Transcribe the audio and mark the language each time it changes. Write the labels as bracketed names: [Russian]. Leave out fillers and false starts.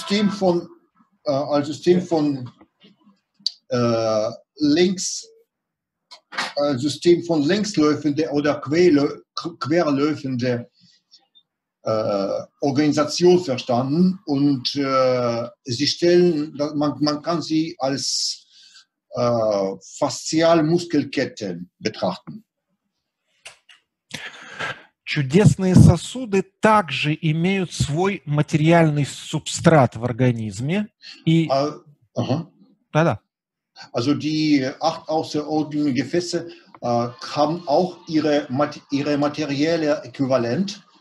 [German] von längslöfende oder querlöfende Organisation verstanden und sie stellen, man kann sie als Faszialmuskelketten betrachten. [Russian] Чудесные сосуды также имеют свой материальный субстрат в организме и. Да-да. [German] Also die acht außerordentlichen Gefäße haben auch ihre materielle Äquivalent.